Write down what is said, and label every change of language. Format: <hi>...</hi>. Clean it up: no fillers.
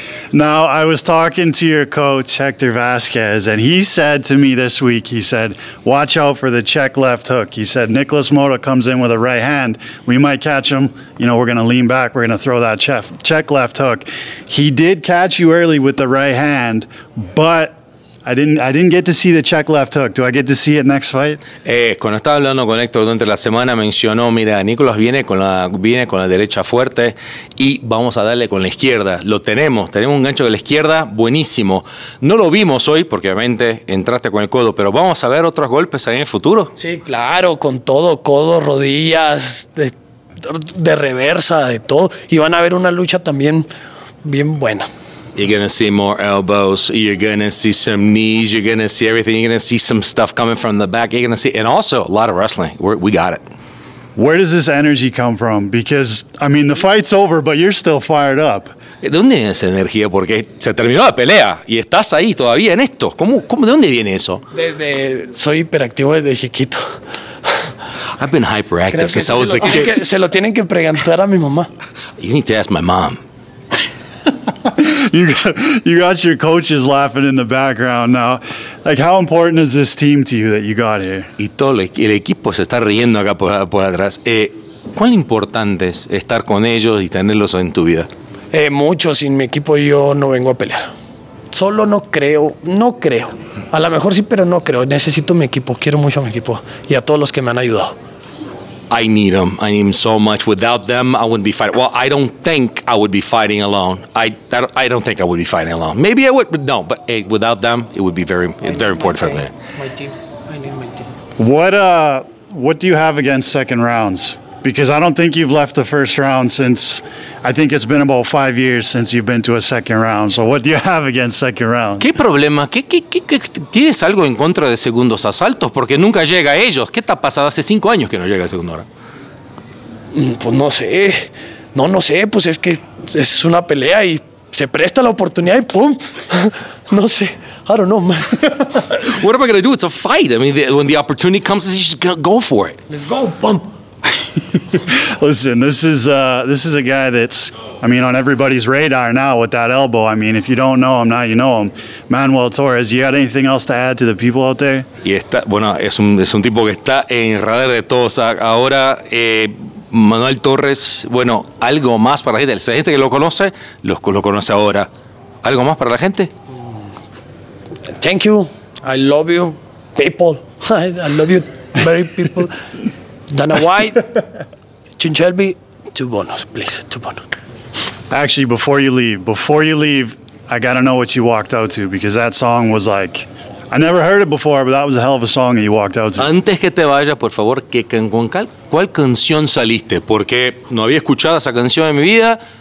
<en>Now, I was talking to your coach, Hector Vasquez, and he said to me this week, he said, watch out for the Czech left hook. He said, Nikolas Motta comes in with a right hand. We might catch him. You know, we're going to lean back. We're going to throw that Czech left hook. He did catch you early with the right hand, but I didn't get to see the Czech left hook. Do I get to see it next fight?</en> <es>Cuando estaba hablando con Héctor durante la semana, mencionó, mira, Nicolás viene con la derecha fuerte y vamos a darle con la izquierda. Lo tenemos. Tenemos un gancho de la izquierda buenísimo. No lo vimos hoy porque obviamente entraste con el codo, pero vamos a ver otros golpes ahí en el futuro. Sí, claro, con todo, codo, rodillas, de reversa, de todo. Y van a ver una lucha también bien buena.</es> <en>You're going to see more elbows, you're going to see some knees, you're going to see everything, you're going to see some stuff coming from the back, you're going to see, and also a lot of wrestling. We got it. Where does this energy come from? Because, I mean, the fight's over, but you're still fired up.</en> <es>¿Dónde viene esa energía? Porque se terminó la pelea y estás ahí todavía en esto. ¿Cómo, de dónde viene eso? Soy hiperactivo desde chiquito.</es> <en>I've been hyperactive since I was a kid.</en> <es>Se lo tienen que preguntar a mi mamá.</es> <en>You need to ask my mom. You got your coaches laughing in the background now. Like, how important is this team to you that you got here?</en> <es>Y todo el equipo se está riendo acá por atrás. ¿Cuán importante es estar con ellos y tenerlos en tu vida? Mucho. Sin mi equipo yo no vengo a pelear. Solo no creo, no creo. A lo mejor sí, pero no creo. Necesito mi equipo. Quiero mucho a mi equipo y a todos los que me han ayudado.</es> <en>I need them. I need them so much. Without them, I wouldn't be fighting. Well, I don't think I would be fighting alone. I don't think I would be fighting alone. Maybe I would, but no. But hey, without them, it would be very important for me. My team. I need my team. What do you have against second rounds? Because I don't think you've left the first round since, I think it's been about 5 years since you've been to a second round. So what do you have against second round?</en> <es>¿Qué problema? ¿Qué tienes algo en contra de segundos asaltos? Porque nunca llega a ellos. ¿Qué te ha pasado hace 5 años que no llega a segundo round? Pues no sé. No sé. Pues es que es una pelea y se presta la oportunidad y ¡pum! No sé.</es> <en>I don't know, man. What am I going to do? It's a fight. I mean, when the opportunity comes, you just go for it. Let's go. ¡Pum! Listen, this is a guy that's, I mean, on everybody's radar now with that elbow. I mean, if you don't know him, now you know him. Manuel Torres, you got anything else to add to the people out there?</en> <es>Y está, bueno, es un tipo que está en radar de todos ahora. Manuel Torres, bueno, algo más para la gente. La gente que lo conoce, lo conoce ahora. ¿Algo más para la gente?</es> <en>Thank you. I love you, people. I love you, very people.</en> <es>Dana White, Chinchelby, 2 bonos,</es> <en>please,</en> <es>2 bonos.</es> <en>Actually, before you leave, I gotta know what you walked out to, because that song was like, I never heard it before, but that was a hell of a song that you walked out to.</en> <es>Antes que te vaya, por favor, ¿cuál canción saliste? Porque no había escuchado esa canción en mi vida.</es>